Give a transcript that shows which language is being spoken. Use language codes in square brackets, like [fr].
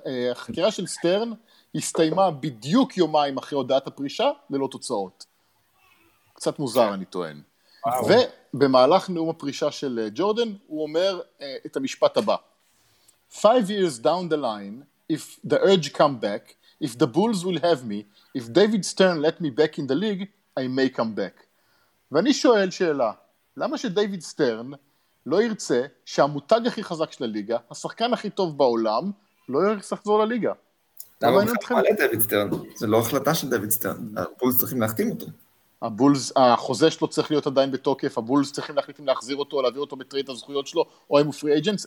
[he] החקירה של סטרן הסתיימה בדיוק יומיים אחרי הודעת הפרישה ללא תוצאות. קצת מוזר אני טוען. ובמהלך נאום הפרישה של ג'ורדן הוא אומר את המשפט הבא. [en] 5 years down the line, if the urge come back, if the Bulls will have me, if David Stern let me back in the league, I may come back. [he] ואני שואל שאלה, למה שדייוויד סטרן לא ירצה שהמותג הכי חזק של הליגה, השחקן הכי טוב בעולם, לא יחזור לליגה? למה הוא חזק לדייוויד סטרן? זה לא החלטה של דייוויד סטרן, הבולס צריכים להחתים אותו. הבולס, החוזה שלו צריך להיות עדיין בתוקף, הבולס צריכים להחליט אם להחזיר אותו או להעביר אותו בטרייד הזכויות שלו, או אם הוא פרי אג'נטס.